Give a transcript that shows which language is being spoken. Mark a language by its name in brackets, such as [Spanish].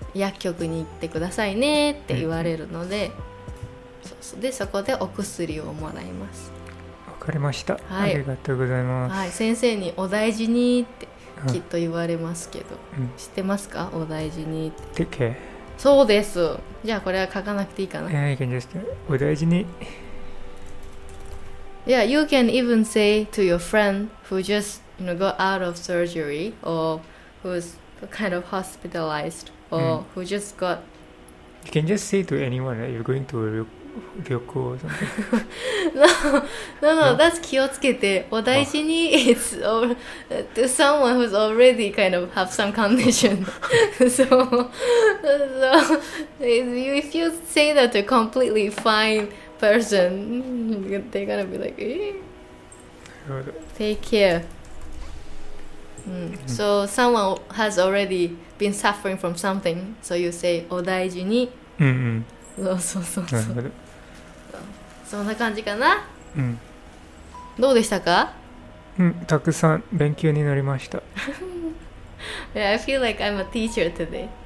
[Japanese] 薬局に行ってくださいねって言われるので、うん、そうそう、でそこでお薬をもらいます。わかりました、はい、ありがとうございます、はい、先生にお大事にってきっと言われますけど、うん、知ってますか、お大事にって [English] 、うん、Take care、 [Japanese] そうです、じゃあこれは書かなくていいかな、 [English] yeah, you can just お大事に Yeah, you can even say to your friend who just, you know, got out of surgery or who's kind of hospitalized or、mm. who just got... You can just say to anyone that you're going to a 旅行 or something. No, no, no, no, that's 気をつけて。お大事に、oh. It's or, to someone who's already kind of have some condition. So if you say that to completely fine... person, they're gonna be like, eh? Take care.、Mm. Mm. So someone has already been suffering from something, so you say, お大事に。 [Japanese] そうそうそう。そんな感じかな、うん、どうでしたか、うん、たくさん勉強になりました。 [English] Yeah, I feel like I'm a teacher today.、